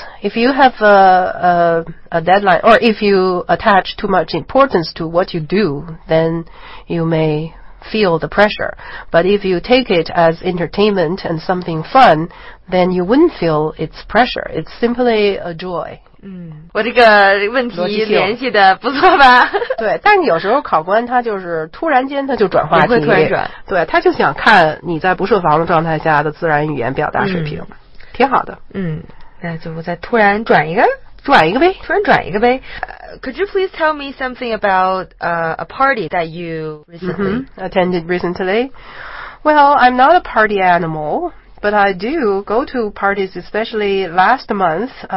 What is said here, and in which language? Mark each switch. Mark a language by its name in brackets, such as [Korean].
[English] If you have a deadline, or if you attach too much importance to what you do, then you may feel the pressure. But if you take it as entertainment and something fun, then you wouldn't feel it's pressure. It's simply a joy. [Chinese] 我这个问题联系的不错吧？对，但有时候考官他就是突然间他就转话题，会突然转，对，他就想看你在不设防的状态下的自然语言表达水平，挺好的。那就我再突然转一个，转一个呗，突然转一个呗。 [English] Could you please tell me something about a party that you recently attended recently? Well, I'm not a party animal, but I do go to parties, especially last month.